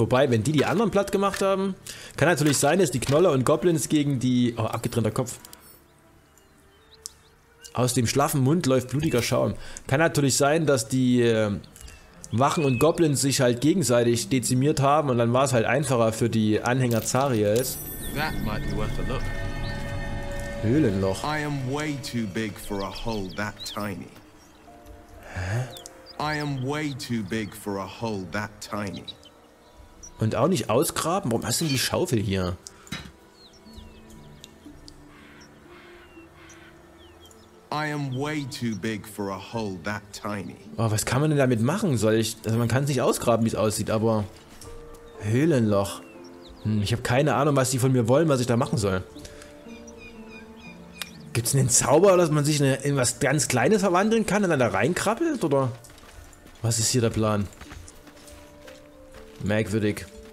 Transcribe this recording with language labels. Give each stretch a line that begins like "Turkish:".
German: Wobei, wenn die anderen platt gemacht haben, kann natürlich sein, dass die Knolle und Goblins gegen die... Oh, abgetrennter Kopf. Aus dem schlaffen Mund läuft blutiger Schaum. Kann natürlich sein, dass die Wachen und Goblins sich halt gegenseitig dezimiert haben und dann war es halt einfacher für die Anhänger Zariels.
English: That might be worth a look. Höhlenloch. I am way too big for a hole that tiny. Hä? I am way too big for a hole that tiny.
German: Und auch nicht ausgraben? Warum hast du denn die Schaufel hier?
English: I am way too big for a hole that tiny.
German: Oh, was kann man denn damit machen? Soll ich. Also man kann es nicht ausgraben, wie es aussieht, aber. Höhlenloch. Ich habe keine Ahnung, was die von mir wollen, was ich da machen soll. Gibt's einen Zauber, dass man sich in was ganz Kleines verwandeln kann und dann da reinkrabbelt? Oder? Was ist hier der Plan? Merkwürdig.